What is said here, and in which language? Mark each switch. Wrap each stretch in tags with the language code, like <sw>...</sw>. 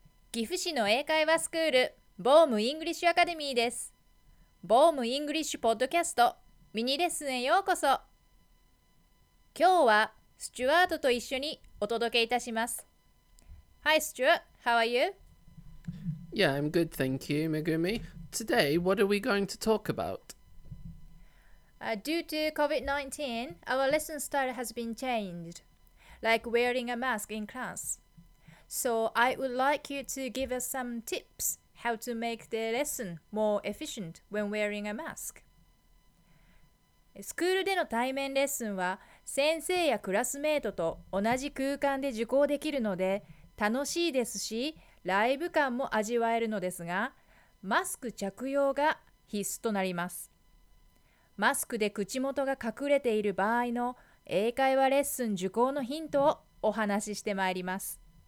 <ja>岐阜市の英会話スクールボームイングリッシュアカデミーです。ボームイングリッシュポッドキャストミニレッスンへようこそ。今日はスチュワートと一緒にお届けいたします。</ja> <en>Hi Stuart, how are you? Yeah, I'm good, thank you, Megumi. Today, what are we going to talk about? Due to COVID-19, our lesson style has been changed, like wearing a mask in class. So I would like you to give us some tips how to make the lesson more efficient when wearing a mask.</en> <ja>スクールでの対面レッスンは、先生やクラスメートと同じ空間で受講できるので、楽しいですし、ライブ感も味わえるのですが、マスク着用が必須となります。マスクで口元が隠れている場合の英会話レッスン受講のヒントをお話ししてまいります。</ja>